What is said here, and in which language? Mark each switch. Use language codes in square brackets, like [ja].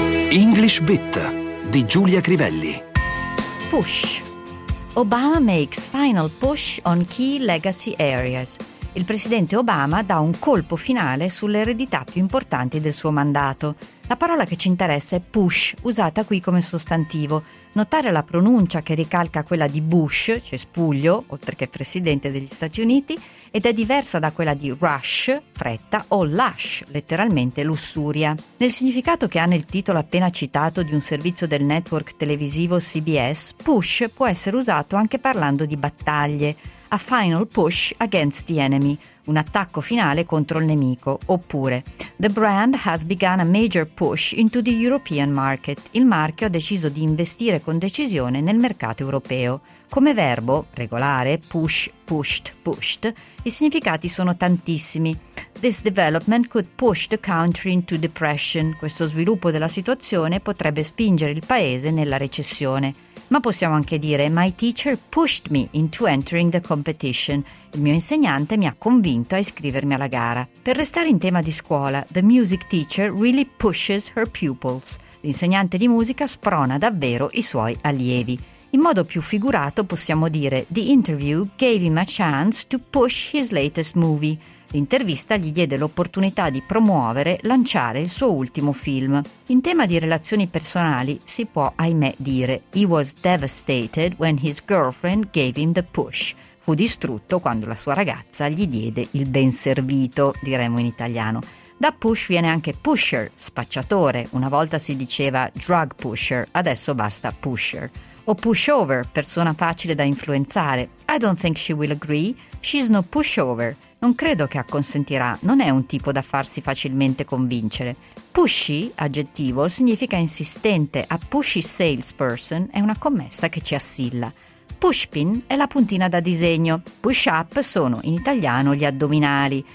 [it] English Bit di Giulia Crivelli. [en] Push. Obama makes final push on key legacy areas. [it] Il presidente Obama dà un colpo finale sulle eredità più importanti del suo mandato. La parola che ci interessa è push, usata qui come sostantivo. Notare la pronuncia che ricalca quella di Bush, cespuglio, oltre che presidente degli Stati Uniti, ed è diversa da quella di rush, fretta, o lush, letteralmente lussuria. Nel significato che ha nel titolo appena citato di un servizio del network televisivo CBS, push può essere usato anche parlando di battaglie. [en] A final push against the enemy, [it] un attacco finale contro il nemico, oppure [en] the brand has begun a major push into the European market. [it] Il marchio ha deciso di investire con decisione nel mercato europeo. Come verbo, regolare, push, pushed, pushed, i significati sono tantissimi. [en] This development could push the country into depression. [it] Questo sviluppo della situazione potrebbe spingere il paese nella recessione. Ma possiamo anche dire [en] «My teacher pushed me into entering the competition». [it] Il mio insegnante mi ha convinto a iscrivermi alla gara. Per restare in tema di scuola, [en] «The music teacher really pushes her pupils». [it] L'insegnante di musica sprona davvero i suoi allievi. In modo più figurato possiamo dire [en] «The interview gave him a chance to push his latest movie». [it] L'intervista gli diede l'opportunità di promuovere, lanciare il suo ultimo film. In tema di relazioni personali si può, ahimè, dire [en] «He was devastated when his girlfriend gave him the push». [it] Fu distrutto quando la sua ragazza gli diede il ben servito, diremmo in italiano. Da push viene anche pusher, spacciatore. Una volta si diceva drug pusher, adesso basta pusher. O pushover, persona facile da influenzare. [en] «I don't think she will agree, she's no pushover». [it] Non credo che acconsentirà, non è un tipo da farsi facilmente convincere. Pushy, aggettivo, significa insistente, [en] a pushy salesperson [it] è una commessa che ci assilla. Pushpin è la puntina da disegno, push up sono in italiano gli addominali.